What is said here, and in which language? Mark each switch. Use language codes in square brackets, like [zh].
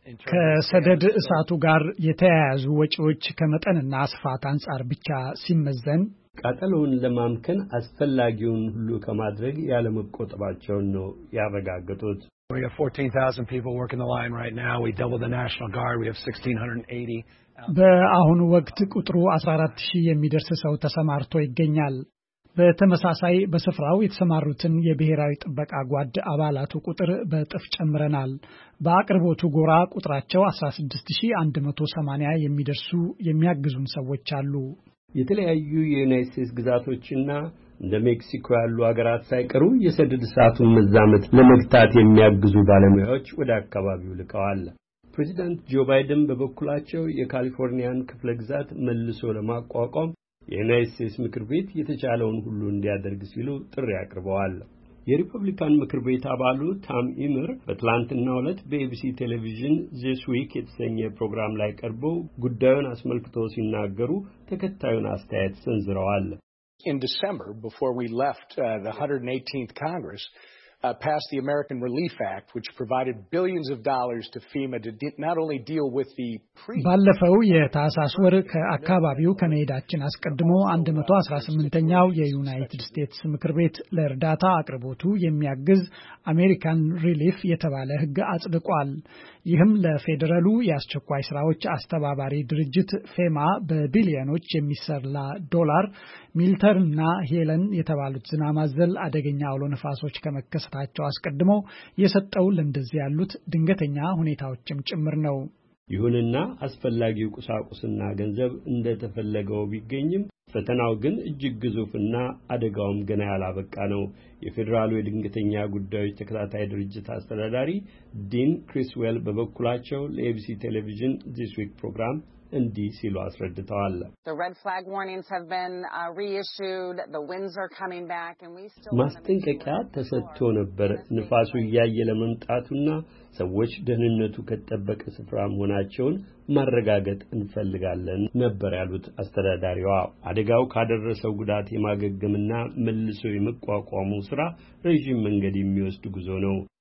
[am] ከሰደድ እሳቱ ጋር የተያያዙ ወጪዎች ከመጠንና ስፋት አንጻር ብቻ ሲመዘን ቀጠሉን ለማምከን አስፈላጊውን ሁሉ ከመድረግ ያለ መቆጠባቸው ነው ያረጋግጡት። [en] We have 14,000 people working the line right now. We double the National Guard. We have 1,680. [am] በአሁን ወቅት ቁጥሩ 14,000 የሚደርስ ሰው ተሰማርቶ ይገኛል። በተመሳሳይ በስፍራው የተሰማሩትን የብሔራዊ ጥበቃ ጓድ አባላቱ ቁጥር በጥፍ ጨምረናል። በአቅርቦቱ ጎራ ቁጥራቸው 16,180 የሚደርሱ የሚያግዙን ሰዎች አሉ። የተለያዩ የዩናይትድ ስቴትስ ግዛቶችና እንደ ሜክሲኮ ያሉ ሀገራት ሳይቀሩ የሰደድ እሳቱን መዛመት ለመግታት የሚያግዙ ባለሙያዎች ወደ አካባቢው ልከዋል። ፕሬዚዳንት ጆ ባይደን በበኩላቸው የካሊፎርኒያን ክፍለ ግዛት መልሶ ለማቋቋም የዩናይትድ ስቴትስ ምክር ቤት የተቻለውን ሁሉ እንዲያደርግ ሲሉ ጥሪ አቅርበዋል። የሪፐብሊካን ምክር ቤት አባሉ ታም ኢምር በትላንትናው ዕለት በኤቢሲ ቴሌቪዥን This Week የተሰኘ ፕሮግራም ላይ ቀርበው ጉዳዩን አስመልክቶ ሲናገሩ ተከታዩን አስተያየት ሰንዝረዋል። [en] in December, before we left the 118th Congress, passed the American Relief Act, which provided billions of dollars to FEMA to not only deal with the [am] ባለፈው የታሳስ ወር ከአካባቢው ከመሄዳችን አስቀድሞ 118ኛው የዩናይትድ ስቴትስ ምክር ቤት ለርዳታ አቅርቦቱ የሚያግዝ አሜሪካን ሪሊፍ የተባለ ህግ አጽድቋል። ይህም ለፌደራሉ ያስቸኳይ ስራዎች አስተባባሪ ድርጅት ፌማ በቢሊዮኖች የሚሰላ ዶላር ሚልተርና ሄለን የተባሉት ዝናማዘል አደገኛ አውሎ ነፋሶች ከመከሰታቸው አስቀድሞ የሰጠው ለእንደዚህ ያሉት ድንገተኛ ሁኔታዎችም ጭምር ነው። ይሁንና አስፈላጊው ቁሳቁስና ገንዘብ እንደተፈለገው ቢገኝም ፈተናው ግን እጅግ ግዙፍና አደጋውም ገና ያላበቃ ነው። የፌደራሉ የድንገተኛ ጉዳዮች ተከታታይ ድርጅት አስተዳዳሪ ዲን ክሪስዌል በበኩላቸው ለኤቢሲ ቴሌቪዥን This Week program እንዲህ ሲሉ አስረድተዋል። [en] The red flag warnings have been reissued. The winds are coming back and we still [am] ማስጠንቀቂያ ተሰጥቶ ነበር። ንፋሱ እያየለ መምጣቱና ሰዎች ደህንነቱ ከተጠበቀ ስፍራ መሆናቸውን ማረጋገጥ እንፈልጋለን ነበር ያሉት አስተዳዳሪዋ። አደጋው ካደረሰው ጉዳት የማገገምና መልሶ የመቋቋሙ ስራ ረጅም መንገድ የሚወስድ ጉዞ ነው።